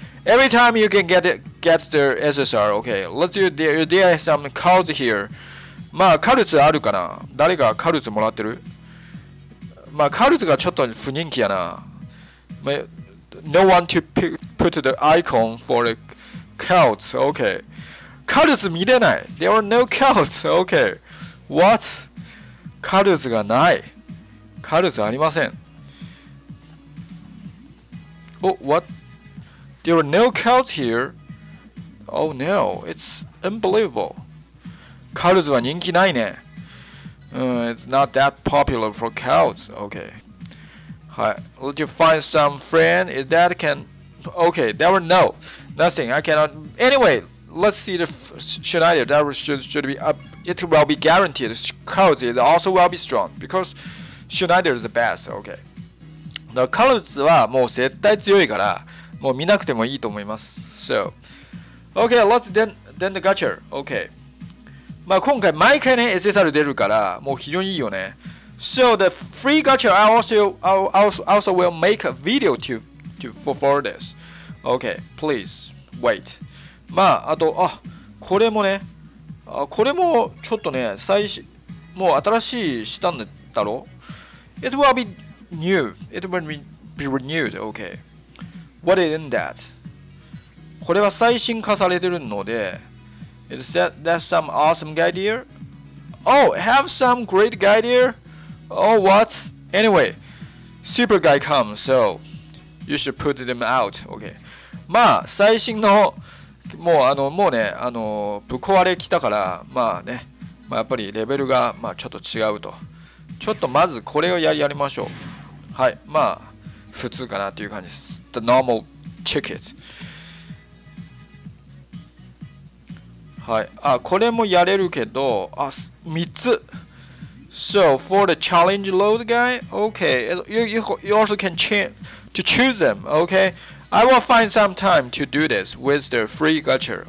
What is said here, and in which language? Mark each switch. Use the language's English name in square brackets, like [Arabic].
[English] Every time you can get the SSR, okay. Let's do there are some cards here. [Japanese] まあ、カルツあるかな？誰かカルツもらってる？まあ、カルツがちょっと不人気やな。 [English] まあ、no one to put the icon for the cards, okay. [Japanese] カルツ見れない。 [English] There are no cards. Okay. What? [Japanese] カルツがない。カルツありません。 [English] Oh, what? There are no cards here. Oh, no. It's unbelievable. [Japanese] カルツは人気ないね。 [English] It's not that popular for cards. Okay. Hi. Let you find some friend that can... Okay. There are no. Nothing. I cannot... Anyway... Let's see the Schneider. That should be up. It will be guaranteed. Cards is also will be strong because Schneider is the best. Okay. [Japanese] The cards はもう絶対強いから、もう見なくてもいいと思います。 [English] So, okay. Let's then the gacha. Okay. [Japanese] まあ今回毎回ね SSR 出るから、もう非常にいいよね。 [English] So the free gacha, I also will make a video for this. Okay. Please wait. [Japanese] まあ、あと、あ、これもね、あ、これもちょっとね、もう新しいしたんだろ [English] ?It will be new. It will be renewed. Okay. What is in that? [Japanese] これは最新化されてるので。 [English] Is that some awesome guy there? Oh, have some great guy there? Oh, what? Anyway, super guy come, so you should put them out. Okay. [Japanese] まあ、最新の。もうあのもうねあのぶっ壊れきたからまあね、まあ、やっぱりレベルがまあちょっと違うとちょっとまずこれをやりましょうはいまあ普通かなという感じです [English] The normal ticket [Japanese] はいあこれもやれるけどあ3つ [English] So for the challenge load guy okay you also can choose them okayI will find some time to do this with the free gacha.